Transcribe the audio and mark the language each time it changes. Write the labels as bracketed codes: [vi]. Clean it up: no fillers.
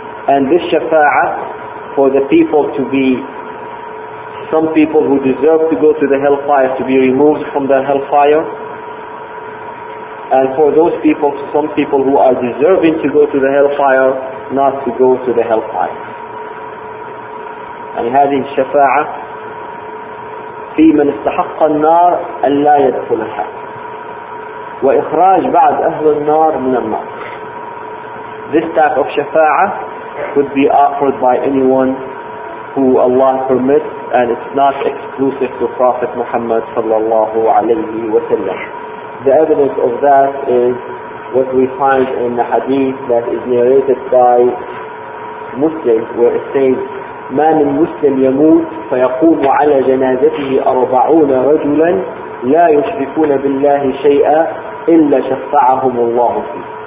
[en] And this shafa'ah for the people to be, some people who deserve to go to the hellfire to be removed from the hellfire, and for those people, some people who are deserving to go to the hellfire, not to go to the hellfire. [ar] And هذه الشفاعه في من استحق النار ان لا يدخلها واخراج بعض اهل النار من النار. [en] This type of shafa'ah could be offered by anyone who Allah permits, and it's not exclusive to Prophet Muhammad sallallahu alayhi wa sallam. The evidence of that is what we find in the hadith that is narrated by Muslim, where it says, [ar] مَا مِنْ مُسْلِمْ يَمُوتْ فَيَقُومُ عَلَى جَنَازَتِهِ أَرْبَعُونَ رَجُلًا لَا يُشْرِكُونَ بِاللَّهِ شَيْئًا إِلَّا شَفَّعَهُمُ اللَّهُ فِيهِ.